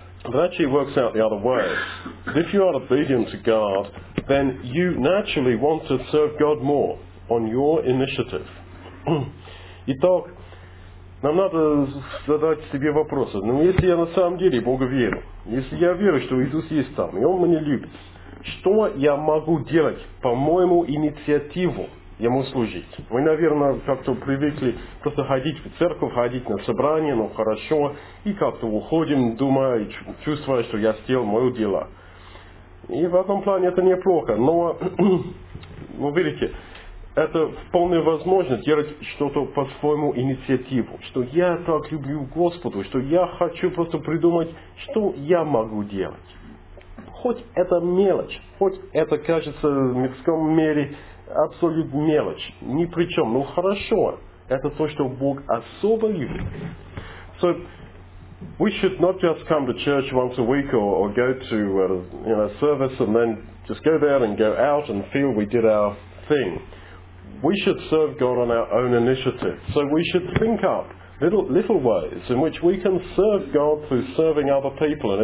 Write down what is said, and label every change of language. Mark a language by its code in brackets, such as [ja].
[en] But actually it works out the other way. If you are obedient to God, then you naturally want to serve God more on your initiative. [ru] Итак, нам надо задать себе вопросы. Ну, если я на самом деле Бога верю, если я верю, что Иисус есть там, и Он меня любит, что я могу делать по моему инициативу Ему служить? Мы, наверное, как-то привыкли просто ходить в церковь, ходить на собрание, ну хорошо, и как-то уходим, думая, чувствуя, что я сделал мое дело. И в этом плане это неплохо, но, вы видите, это вполне возможно делать что-то по своему инициативу. Что я так люблю Господу, что я хочу просто придумать, что я могу делать. Хоть это мелочь, хоть это кажется в мирском мире абсолютно мелочь. Ни при чем. Ну хорошо, это то, что Бог особо любит. [en] So, we should not just come to church once a week or go to service and then just go there and go out and feel we did our thing. We should serve God on our own initiative. So we should think up little ways in which we can serve God through serving other people.